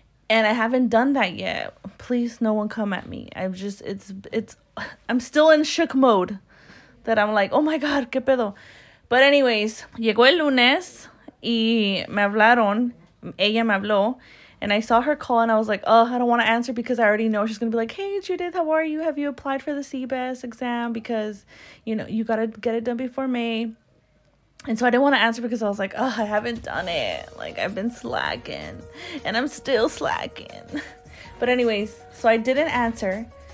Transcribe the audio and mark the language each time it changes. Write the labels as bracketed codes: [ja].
[en] And I haven't done that yet. Please, no one come at me. I'm still in shook mode that I'm like, oh my God, [es] qué pedo. [en] But anyways, [es] llegó el lunes y me hablaron, ella me habló. [en] And I saw her call and I was like, oh, I don't want to answer because I already know she's going to be like, hey, Judith, how are you? Have you applied for the CBEST exam? Because, you know, you got to get it done before May. And so I didn't want to answer because I was like, oh, I haven't done it. Like, I've been slacking and I'm still slacking. But anyways, so I didn't answer.